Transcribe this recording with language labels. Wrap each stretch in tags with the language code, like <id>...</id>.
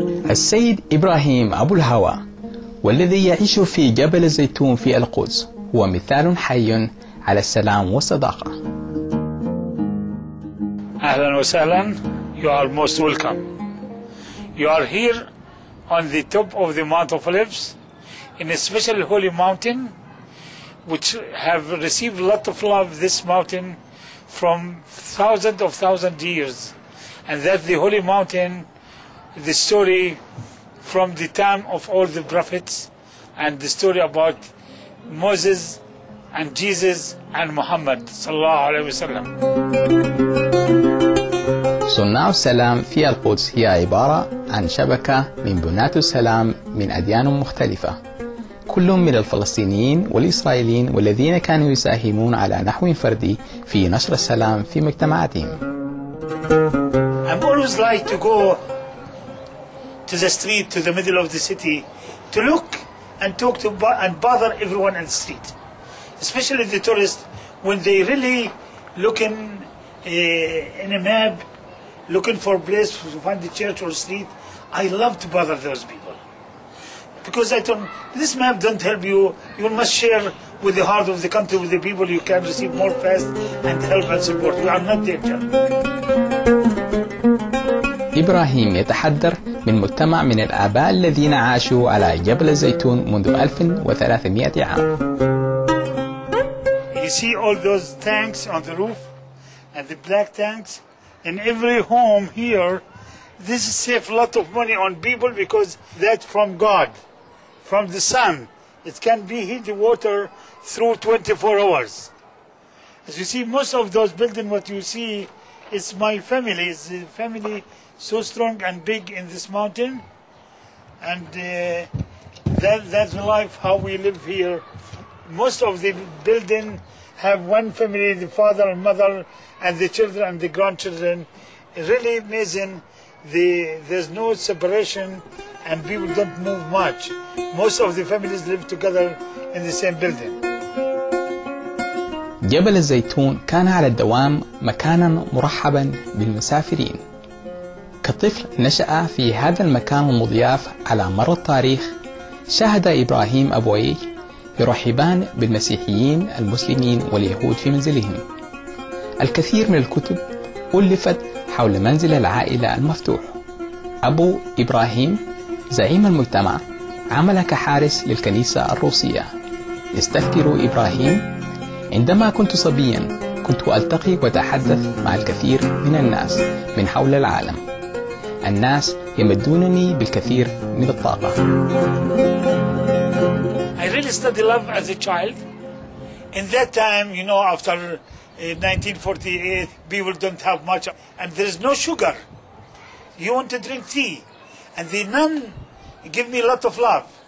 <ar>السيد إبراهيم أبو الهوى والذي يعيش في جبل الزيتون في القدس هو مثال حي على السلام والصداقة. أهلا وسهلا.</ar> <en>You are most welcome. You are here on the top of the Mount of Olives in a special holy mountain which have received a lot of love, this mountain, from thousands of thousands of years. And that the holy mountain, the story from the time of all the prophets, and the story about Moses and Jesus and Muhammad</en> <ar>sallallahu alaihi wasallam.</ar> <en>So now</en> <ar>salam fi al-Quds هي عبارة عن شبكة من بنات السلام من أديان مختلفة كلهم من الفلسطينيين والإسرائيليين والذين كانوا يساهمون على نحو فردي في نشر السلام في مجتمعاتهم.</ar> <en>I'm always like to go to the street, to the middle of the city, to look and talk to and bother everyone in the street, especially the tourists, when they really looking in a map, looking for a place to find the church or street. I love to bother those people, because I don't, this map don't help you. You must share with the heart of the country, with the people, you can receive more fast and help and support. You are not there, John.</en> <ar>إبراهيم يتحدر من مجتمع من الآباء الذين عاشوا على جبل الزيتون منذ 1300 عام.</ar> <en>You see all those tanks on the roof and the black tanks in every home here. This save a lot of money on people, because that from God, from the sun, it can be heat the water through 24 hours. As you see, most of those building what you see is my family. It's the family so strong and big in this mountain, and that's the life how we live here. Most of the building have one family, the father and mother and the children and the grandchildren. Really amazing. There's no separation and people don't move much. Most of the families live together in the same building.</en> <ar>جبل الزيتون كان على الدوام مكانا مرحبا بالمسافرين. كطفل نشأ في هذا المكان المضياف على مر التاريخ، شاهد إبراهيم أبويه يرحبان بالمسيحيين المسلمين واليهود في منزلهم. الكثير من الكتب ألفت حول منزل العائلة المفتوح. أبو إبراهيم زعيم المجتمع عمل كحارس للكنيسة الروسية. يستذكر إبراهيم: عندما كنت صبيا كنت ألتقي وتحدث مع الكثير من الناس من حول العالم. الناس يمدونني بالكثير من الطاقة.</ar> <en>I really studied love as a child. In that time, you know, after 1948, people don't have much, and there is no sugar. You want to drink tea, and the nun give me a lot of love.</en>